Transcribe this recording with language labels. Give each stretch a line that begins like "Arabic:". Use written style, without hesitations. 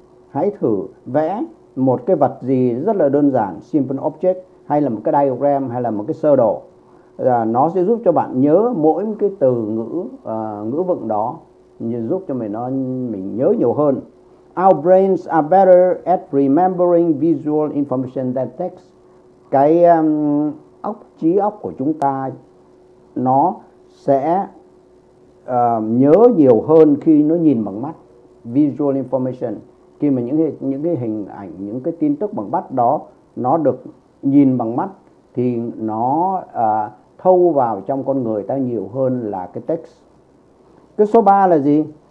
Vietnamese: Hãy thử vẽ một cái vật gì rất là đơn giản, simple object, hay là một cái diagram, hay là một cái sơ đồ. Nó sẽ giúp cho bạn nhớ mỗi cái từ ngữ ngữ vựng đó, giúp cho mình nhớ nhiều hơn.
English: Our brains are better at remembering visual information than text.
Vietnamese: Cái trí óc của chúng ta nó sẽ nhớ nhiều hơn khi nó nhìn bằng mắt, visual information. Khi mà những cái hình ảnh, những cái tin tức bằng mắt đó nó được nhìn bằng mắt thì nó thâu vào trong con người ta nhiều hơn là cái text. Cái số 3 là gì?